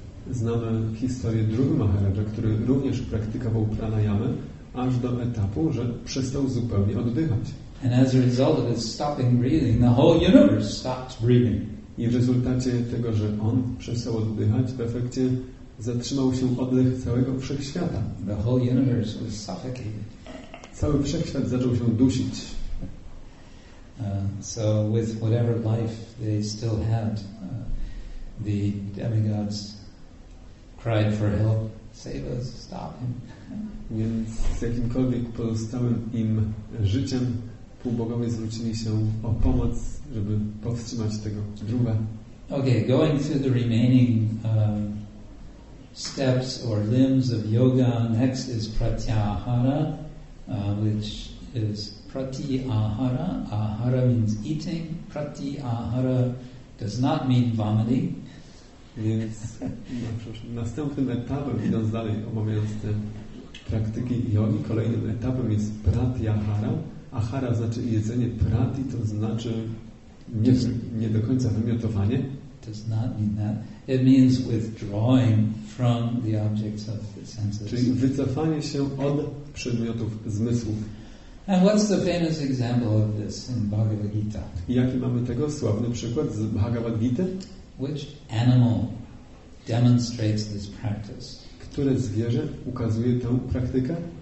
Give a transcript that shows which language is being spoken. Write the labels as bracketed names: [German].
[Polish] Znamy historię Dhruva Maharaja, który również praktykował pranayamę, aż do etapu, że przestał zupełnie oddychać. [English] And as a result of his stopping breathing, the whole universe stopped breathing. [Polish] I w rezultacie tego, że on przestał oddychać, w efekcie zatrzymał się oddech całego wszechświata. [English] The whole universe was suffocated. [Polish] Cały wszechświat zaczął się dusić. [English] So with whatever life they still had, the demigods cried for help, save us, stop him. [Polish] Więc z jakimkolwiek pozostałym im życiem półbogowie zwrócili się o pomoc, żeby powstrzymać tego druga. [English] Okay, going through the remaining steps or limbs of yoga, next is pratyahara, which is pratyahara. Ahara means eating. Pratyahara does not mean vomiting. [Polish] Więc następnym etapem, idąc dalej, omawiając te praktyki jogi, kolejnym etapem jest pratyahara. Ahara znaczy jedzenie, prati to znaczy nie do końca wymiotowanie. [English] Does not mean that. It means withdrawing from the objects of the senses. [Polish] Czyli wycofanie się od przedmiotów zmysłów. [English] And what's the famous example of this in Bhagavad Gita? [Polish] Jaki mamy tego sławny przykład z Bhagavad Gita? [English] Which animal demonstrates this practice? [Polish] Które zwierzę ukazuje tę praktykę?